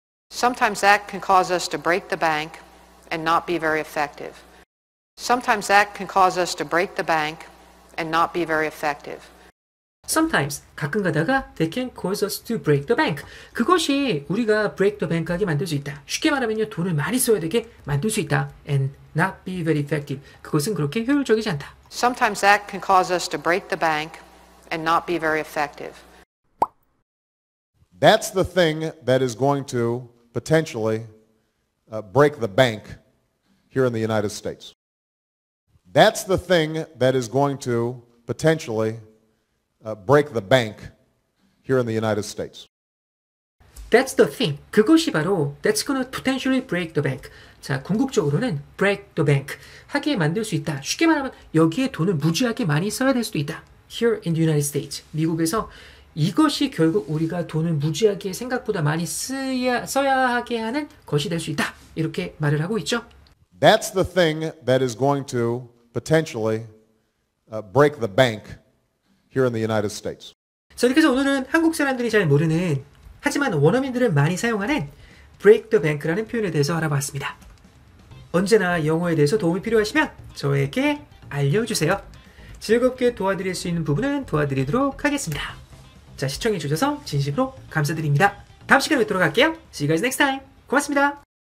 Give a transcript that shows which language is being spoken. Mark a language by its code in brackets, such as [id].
[en] Sometimes that can cause us to break the bank and not be very effective. Sometimes that can cause us to break the bank and not be very effective. Sometimes, [ko] 가끔 가다가 [en] they can cause us to break the bank. [ko] 그것이 우리가 [en] break the bank [ko] 하게 만들 수 있다. 쉽게 말하면요, 돈을 많이 써야 되게 만들 수 있다. [en] And not be very effective. [ko] 그것은 그렇게 효율적이지 않다. [en] Sometimes that can cause us to break the bank and not be very effective. That's the thing that is going to potentially break the bank here in the United States. That's the thing that is going to potentially break the bank here in the United States. That's the thing. [ko] 그것이 바로 [en] that's gonna potentially break the bank. [ko] 자, 궁극적으로는 [en] break the bank [ko] 하게 만들 수 있다. 쉽게 말하면 여기에 돈을 무지하게 많이 써야 될 수도 있다. [en] Here in the United States. [ko] 미국에서 이것이 결국 우리가 돈을 무지하게 생각보다 많이 써야 하게 하는 것이 될 수 있다. 이렇게 말을 하고 있죠. [en] That's the thing that is going to potentially break the bank here in the United States. [ko] 자, 이렇게 해서 오늘은 한국 사람들이 잘 모르는 하지만 원어민들은 많이 사용하는 [en] break the bank [ko] 라는 표현에 대해서 알아봤습니다. 언제나 영어에 대해서 도움이 필요하시면 저에게 알려주세요. 즐겁게 도와드릴 수 있는 부분은 도와드리도록 하겠습니다. 자, 시청해주셔서 진심으로 감사드립니다. 다음 시간에 뵙도록 할게요. [en] See you guys next time. [ko] 고맙습니다.